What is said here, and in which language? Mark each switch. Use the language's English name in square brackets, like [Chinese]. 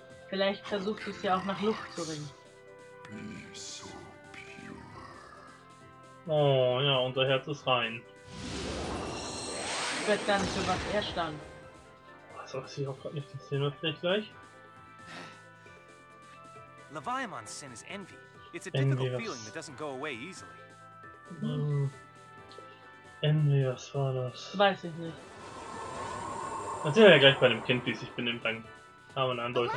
[German] Vielleicht versucht es ja auch nach Luft zu ringen. Oh ja, unser Herz ist rein. Ich weiß gar nicht, für was er stand. Das weiß ich auch gerade nicht, das sehen wir vielleicht gleich. Leviamon's Sin ist Envy. [English] It's a difficult feeling that doesn't go away easily. [German] Envy, was war das? Weiß ich nicht. Das sehen wir ja gleich bei einem Kind, wie sich benimmt, dann haben wir eine Andeutung.